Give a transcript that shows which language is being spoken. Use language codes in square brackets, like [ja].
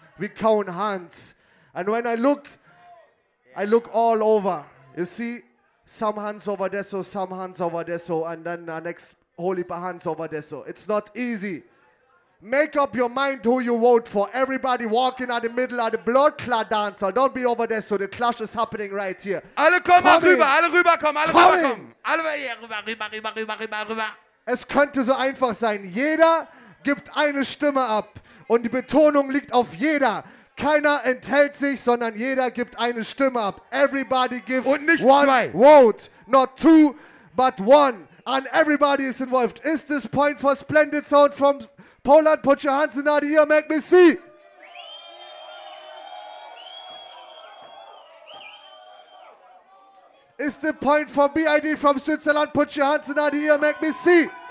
[en] We count hands. And when I look all over. You see, some hands over there, so some hands over there, so and then the next holy hands over there, so. It's not easy. Make up your mind who you vote for. Everybody walking at the middle of the blood clad dancer. Don't be over there, so the clash is happening right here. [de] Alle kommen rüber, alle rüber kommen. Alle rüber. Es könnte so einfach sein. Jeder gibt eine Stimme ab. Und die Betonung liegt auf jeder. Keiner enthält sich, sondern jeder gibt eine Stimme ab. [en] Everybody gives [de] und nicht [en] one [de] zwei. [en] Vote. Not two, but one. And everybody is involved. Is this point for Splendid Sound from Poland, put your hands in the air, make me see. It's the point for BID from Switzerland, put your hands in the air, make me see.